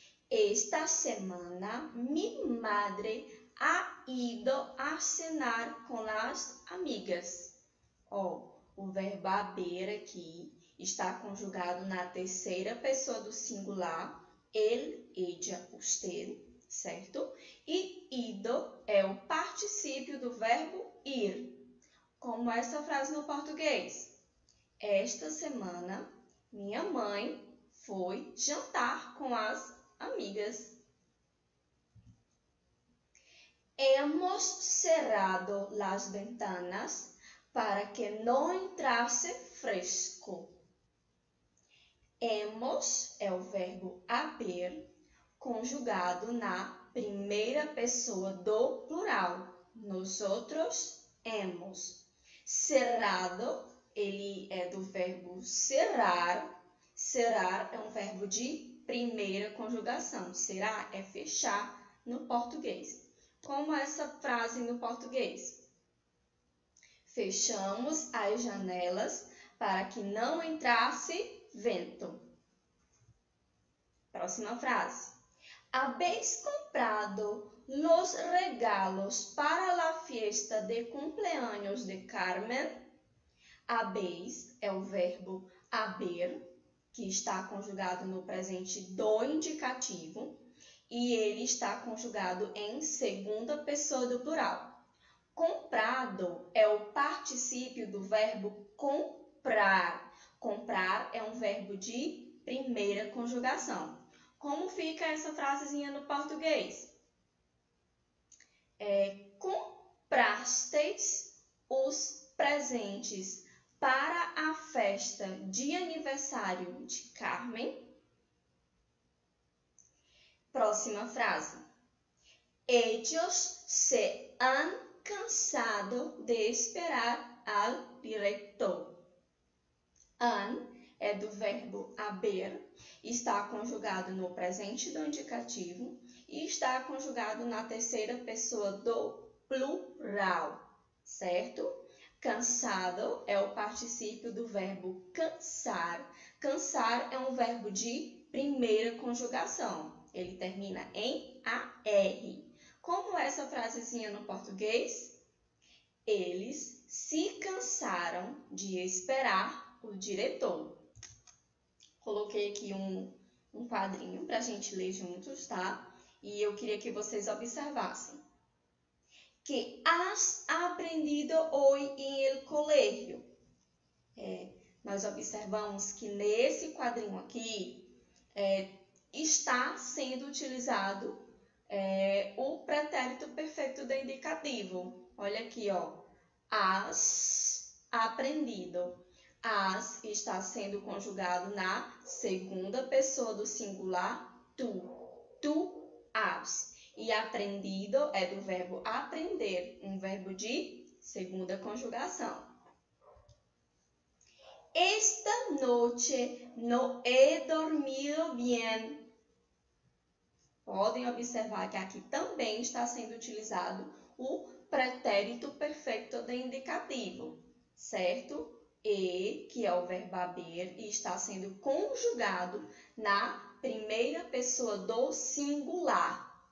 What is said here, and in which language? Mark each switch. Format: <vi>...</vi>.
<es>Esta semana, mi madre ha ido a cenar con las amigas.</es> <pt>Ó, o verbo haber aqui está conjugado na terceira pessoa do singular, ele, ella, usted, certo? E ido é o particípio do verbo ir. Como essa frase no português? Esta semana, minha mãe foi jantar com as amigas.</pt> <es>Hemos cerrado las ventanas para que no entrase fresco.</es> <pt>Hemos é o verbo haber, conjugado na primeira pessoa do plural.</pt> <es>Nosotros hemos.</es> <pt>Cerrado, ele é do verbo cerrar. Cerrar é um verbo de primeira conjugação. Cerrar é fechar no português. Como essa frase no português? Fechamos as janelas para que não entrasse vento. Próxima frase.</pt> <es>Habéis comprado los regalos para la fiesta de cumpleaños de Carmen?</es> <pt>Habéis é o verbo haber, que está conjugado no presente do indicativo, e ele está conjugado em segunda pessoa do plural. Comprado é o particípio do verbo comprar. Comprar é um verbo de primeira conjugação. Como fica essa frasezinha no português? Comprasteis os presentes para a festa de aniversário de Carmen? Próxima frase.</pt> <es>Ellos se han cansado de esperar al director.</es> <pt>Han é do verbo haber, está conjugado no presente do indicativo e está conjugado na terceira pessoa do plural, certo? Cansado é o particípio do verbo cansar. Cansar é um verbo de primeira conjugação. Ele termina em AR. Como essa frasezinha no português? Eles se cansaram de esperar o diretor. Coloquei aqui um quadrinho para a gente ler juntos, tá? E eu queria que vocês observassem.</pt> <es>Que has aprendido hoy en el colegio?</es> <pt>Nós observamos que nesse quadrinho aqui está sendo utilizado o pretérito perfeito do indicativo. Olha aqui, ó. Has aprendido. Has está sendo conjugado na segunda pessoa do singular, tu. Tu has. E aprendido é do verbo aprender, um verbo de segunda conjugação.</pt> <es>Esta noche no he dormido bien.</es> <pt>Podem observar que aqui também está sendo utilizado o pretérito perfeito do indicativo, certo? E, que é o verbo haber, e está sendo conjugado na primeira pessoa do singular.</pt>